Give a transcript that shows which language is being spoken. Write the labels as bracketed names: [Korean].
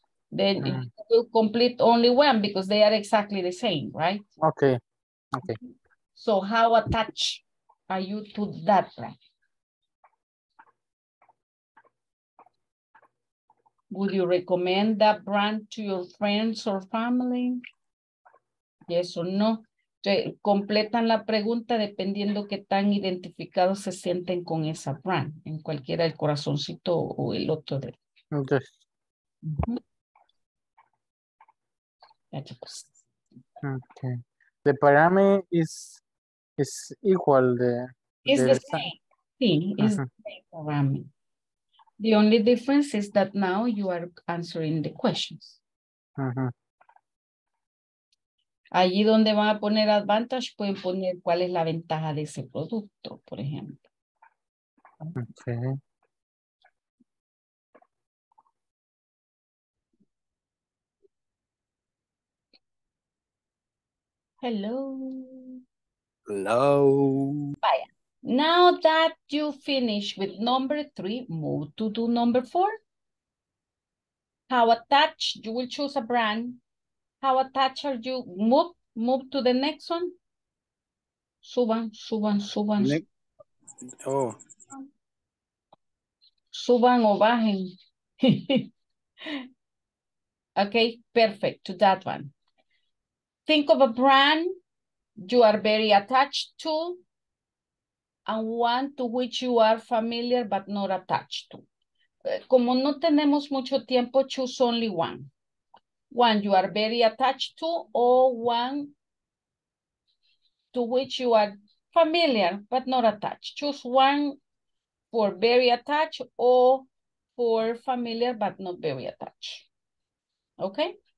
[English] Then you will complete only one because they are exactly the same, right? Okay, okay. So how attached are you to that brand? Would you recommend that brand to your friends or family? Yes or no? [Spanish] Completan la pregunta dependiendo qué tan identificados se sienten con esa brand, en cualquiera el corazoncito o el otro de. [English] Okay. Uh-huh. Okay. The parameter is equal to. It's the same. Sí, it's the same parameter. The only difference is that now you are answering the questions. Uh-huh. [Spanish] Allí donde van a poner advantage, pueden poner cuál es la ventaja de ese producto, por ejemplo. [English] Okay. Hello. Hello. [Spanish] Vaya. [English] Now that you finish with number three, move to do number four. How attached, you will choose a brand. How attached are you? Move to the next one. [Spanish] Suban. Suban o bajen. [English] Okay, perfect. To that one. Think of a brand you are very attached to and one to which you are familiar but not attached to. [Spanish] Como no tenemos mucho tiempo, [English] choose only one. One you are very attached to, or one to which you are familiar but not attached. Choose one for very attached or for familiar but not very attached. Okay?